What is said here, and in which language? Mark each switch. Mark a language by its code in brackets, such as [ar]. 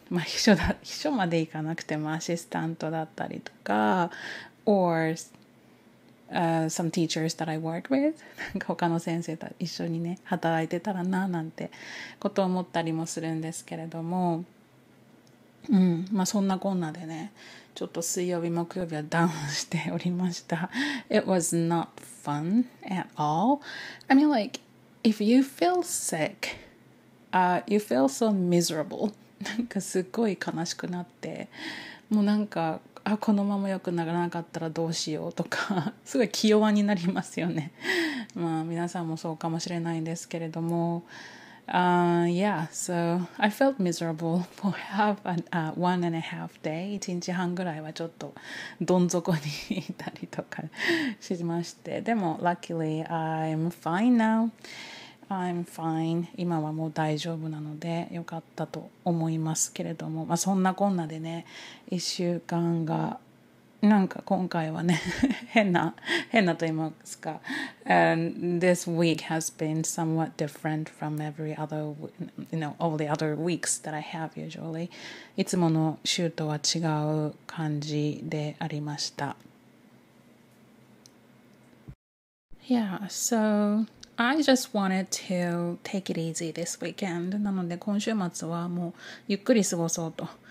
[ja] まあ秘書まで行かなくてもアシスタントだったりとか、 [en] or some teachers that I work with. [ja] なんか他の先生と一緒にね、働いてたらななんてことを思ったりもするんですけれども、うん、まあそんなこんなでね、ちょっと水曜日、木曜日はダウンしておりました。 [en] It was not fun at all. I mean, like, if you feel sick, you feel so miserable. [ja] なんかすごい悲しくなって、もうなんか、あ、このまま良くならなかったらどうしようとか、すごい気弱になりますよね。まあ皆さんもそうかもしれないんですけれども、 [en] yeah, so I felt miserable for one and a half day. [ja] 一日半ぐらいはちょっとどん底にいたりとかしまして。でも、 [en] luckily, I'm fine now. I'm fine. [ja] 今はもう大丈夫なのでよかったと思いますけれども。まあ、そんなこんなでね、一週間がなんか今回はね、変なと言いますか。 [en] And this week has been somewhat different from every other, you know, all the other weeks that I have usually. [ja] いつもの週とは違う感じでありました。 [en] Yeah, so I just wanted to take it easy this weekend. [ja] なので今週末はもうゆっくり過ごそうと。